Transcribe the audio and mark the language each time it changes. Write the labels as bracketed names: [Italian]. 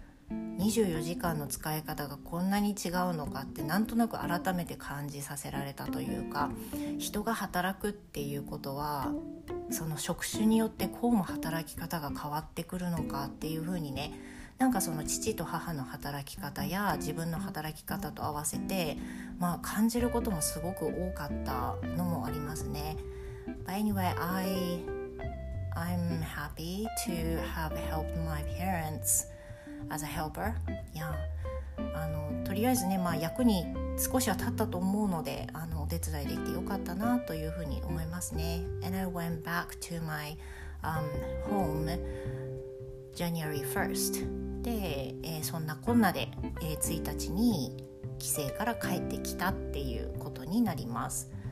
[Japanese] 24時間の使い方がこんなに違うのかって、なんとなく改めて感じさせられたというか、人が働くっていうことは、その職種によってこうも働き方が変わってくるのかっていう風にね、なんかその父と母の働き方や自分の働き方と合わせて、まあ感じることもすごく多かったのもありますね。 [English] But anyway, I I'm happy to have helped my parents as a helper. Yeah. [Japanese] とりあえずね、まあ、役に少しは立ったと思うので、お手伝いできてよかったなというふうに思いますね。 [English] And I went back to my home January 1st [Japanese] で、そんなこんなで、1日に帰省から帰ってきたっていうことになります。